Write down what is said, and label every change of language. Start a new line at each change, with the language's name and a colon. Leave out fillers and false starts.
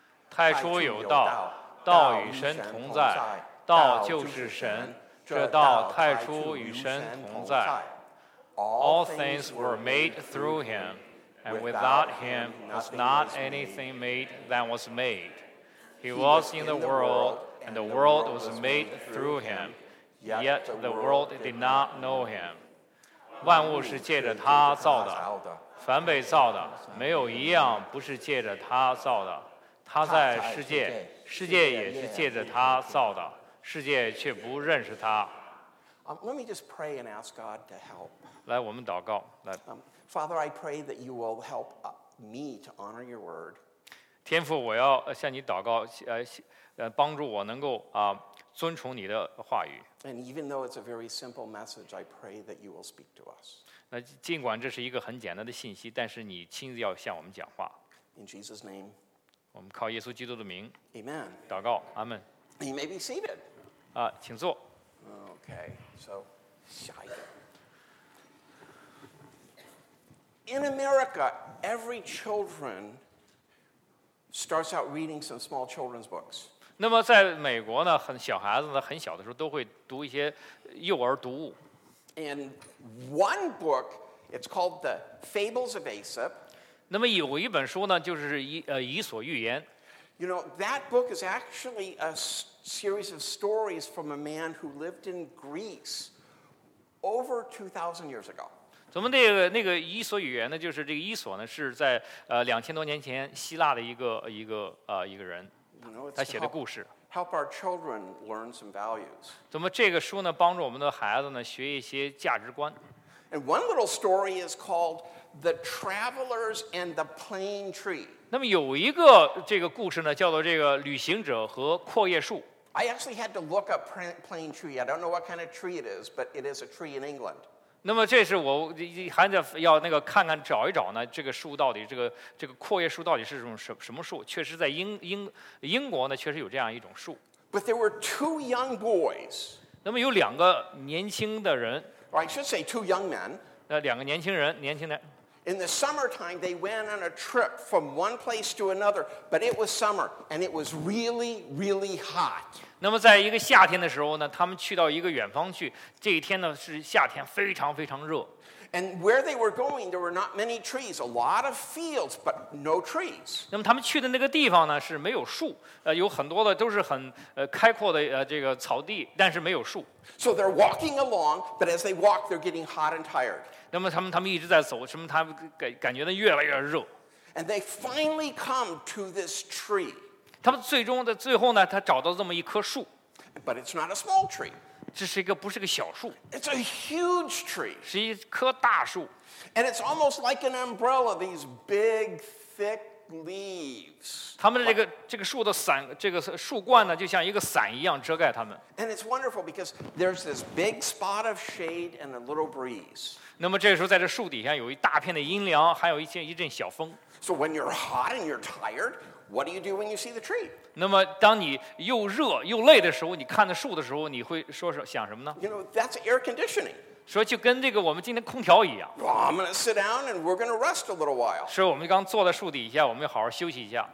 Chinese: 太初有道，道与神同在，道就是神。这道太初与神同在。
English: All things were made through him, and without him was not anything made that was made. He was in the world, and the world was made through him, yet the world did not know him.
Chinese: 万物是借着他造的，凡被造的，没有一样不是借着他造的。他在世界，世界也是借着他造的。世界却不认识他。
English: Let me just pray and ask God to help.
Chinese: 来，我们祷告。来
English: ，Father, I pray that you will help me to honor your word.
Chinese: 天父，我要向你祷告，帮助我能够遵从你的话语。
English: And even though it's a very simple message, I pray that you will speak to us.
Chinese: 那尽管这是一个很简单的信息，但是你亲自要向我们讲话。
English: In Jesus' name.
Chinese: 我们靠耶稣基督的名。
English: Amen.
Chinese: 祷告，阿门。
English: You may be seated.
Chinese: 啊，请坐。
English: Okay, so
Chinese: 下一个。
English: In America, every children starts out reading some small children's books.
Chinese: 那么在美国呢，很小孩子呢，很小的时候都会读一些幼儿读物。
English: And one book, it's called The Fables of Aesop.
Chinese: 那么有一本书呢，就是伊索寓言。
English: You know, that book is actually a series of stories from a man who lived in Greece over 2,000 years ago.
Chinese: 怎么那个伊索寓言呢？就是这个伊索呢，是在2000多年前希腊的一个人，他写的故事。
English: Help our children learn some values.
Chinese: 怎么这个书呢，帮助我们的孩子呢，学一些价值观。
English: And one little story is called The Travelers and the Plane Tree.
Chinese: 那么有一个这个故事呢，叫做这个旅行者和阔叶树。
English: I actually had to look up plane tree. I don't know what kind of tree it is, but it is a tree in England.
Chinese: 那么这是我还得要那个看看找一找呢，这个树到底这个阔叶树到底是什么树？确实在英国呢，确实有这样一种树。
English: But there were two young boys.
Chinese: 那么有两个年轻的人。
English: Or I should say two young men.
Chinese: 两个年轻人。
English: In the summertime, they went on a trip from one place to another, but it was summer, and it was really, really hot.
Chinese: 那么在一个夏天的时候呢，他们去到一个远方去，这一天呢是夏天，非常非常热。
English: And where they were going, there were not many trees, a lot of fields, but no trees.
Chinese: 那么他们去的那个地方呢，是没有树，有很多的都是很开阔的这个草地，但是没有树。
English: So they're walking along, but as they walk, they're getting hot and tired.
Chinese: 那么他们一直在走，什么他们感觉呢越来越热。
English: And they finally come to this tree.
Chinese: 他们最后呢，他找到这么一棵树。
English: But it's not a small tree.
Chinese: 这是一个不是个小树
English: It's a huge tree.
Chinese: 是一棵大树
English: And it's almost like an umbrella, these big, thick leaves.
Chinese: 他们的这个树的伞，这个树冠呢，就像一个伞一样遮盖他们
English: And it's wonderful because there's this big spot of shade and a little breeze.
Chinese: 那么这时候在这树底下有一大片的阴凉，还有一阵小风
English: So when you're hot and you're tired, what do you do when you see the tree?
Chinese: 那么当你又热又累的时候，你看着树的时候，你会说是想什么呢
English: ？You know, that's air conditioning.
Chinese: 说就跟这个我们今天空调一样。
English: Well, I'm going to sit down and we're going to rest a little while.
Chinese: 是我们刚坐在树底下，我们要好好休息一下。